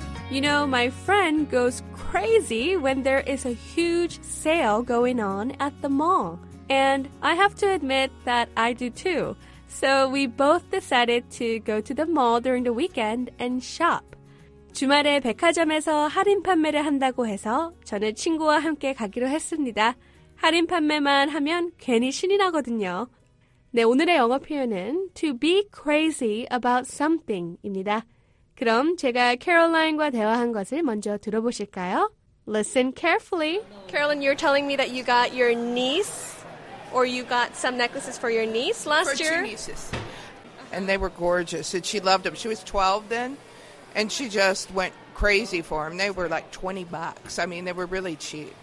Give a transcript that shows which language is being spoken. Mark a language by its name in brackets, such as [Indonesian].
[English] You know, my friend goes crazy when there is a huge sale going on at the mall. And I have to admit that I do too. So we both decided to go to the mall during the weekend and shop. [Korean] 주말에 백화점에서 할인 판매를 한다고 해서 저는 친구와 함께 가기로 했습니다. 할인 판매만 하면 괜히 신이 나거든요. 네, 오늘의 영어 표현은 [English] to be crazy about something [Korean] 입니다. 그럼 제가 캐롤라인과 대화한 것을 먼저 들어보실까요? [English] Listen carefully. Carolyn, you're telling me that you got your niece or you got some necklaces for your niece last year? For two nieces. And they were gorgeous. And she loved them. She was 12 then. And she just went crazy for them. They were like 20 bucks. I mean, they were really cheap.